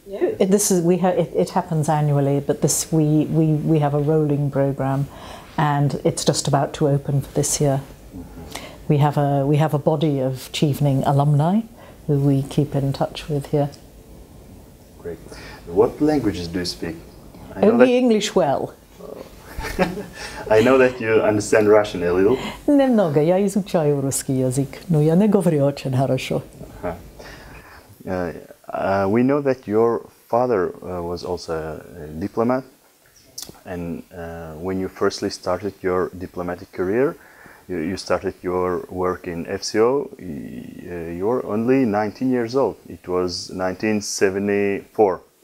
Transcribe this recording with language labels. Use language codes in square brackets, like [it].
[en] It happens annually, but this we have a rolling program, and it's just about to open for this year. Mm-hmm. We have a body of Chevening alumni who we keep in touch with here. Great. What languages do you speak? English well. I know that you understand Russian a little. [ru] Немного. Я изучаю русский язык, но я не говорю очень хорошо. [en] We know that your father was also a diplomat, and when you firstly started your diplomatic career, you started your work in FCO. You were only 19 years old. It was 1974.